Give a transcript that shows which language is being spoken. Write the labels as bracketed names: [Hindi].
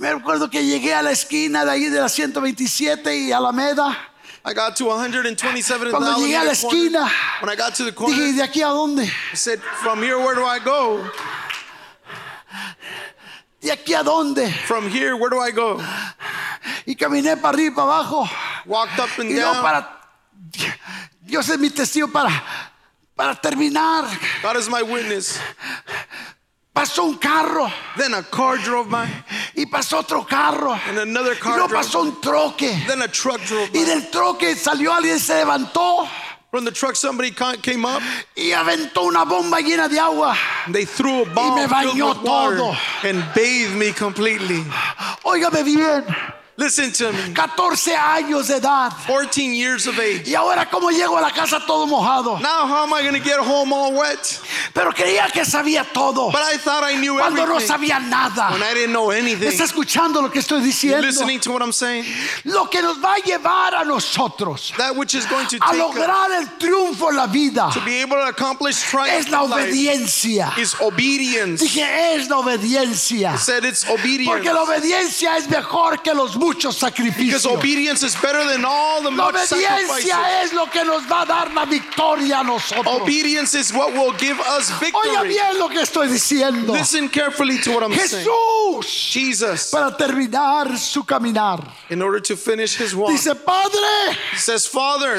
[Spanish] Me acuerdo que llegué a la esquina de ahí de la 127 y Alameda. [English] I got to 127th [Spanish] Cuando llegué a la esquina, [English] corner. When I got to the corner, [Spanish] dije, ¿de aquí a dónde? [English] I said, from here, where do I go? [Spanish] ¿De aquí a dónde? [English] From here, where do I go? [Spanish] Y caminé para arriba y para abajo. [English] Walked up and [Spanish] y [English] down. [Spanish] Para, Dios es mi testigo para terminar. [English] God is my witness. [Spanish] Pasó un carro. [English] Then a car drove by. [Spanish] Y pasó otro carro. [English] And another car [Spanish] no pasó [English] drove [Spanish] un troque. [English] Then a truck drove by. [Spanish] Y del troque salió alguien, se levantó. [English] From the truck somebody came up. [Spanish] Y aventó una bomba llena de agua. [English] They threw a bomb. [Spanish] Y me bañó todo. [English] And bathed me completely. [Spanish] Óigame bien. [English] Listen to me. [Spanish] 14 años de edad. [English] 14 years of age. [Spanish] Y ahora cómo llego a la casa todo mojado. [English] Now how am I going to get home all wet? [Spanish] Pero creía que sabía todo. [English] But I thought I knew [Spanish] cuando [English] everything. [Spanish] No sabía nada. [English] When I didn't know anything. [Spanish] ¿Estás escuchando lo que estoy diciendo? [English] You're listening to what I'm saying. [Spanish] Lo que nos va a llevar a nosotros. [English] That which is going to [Spanish] a lograr el triunfo en la vida. [English] To be able to accomplish triumph. [Spanish] Es la obediencia. [English] Is obedience. [Spanish] Dije es la obediencia. [English] I said it's obedience. [Spanish] Porque la obediencia es mejor que los [English] because obedience is better than all the much sacrifices. [Spanish] Es lo que nos va a dar la victoria a nosotros. [English] Obedience is what will give us victory. [Spanish] Oiga bien lo que estoy diciendo. [English] Listen carefully to what I'm [Spanish] Jesús, [English] saying. Jesus, [Spanish] para terminar su caminar, [English] in order to finish his walk, [Spanish] dice, Padre, [English] he says, Father,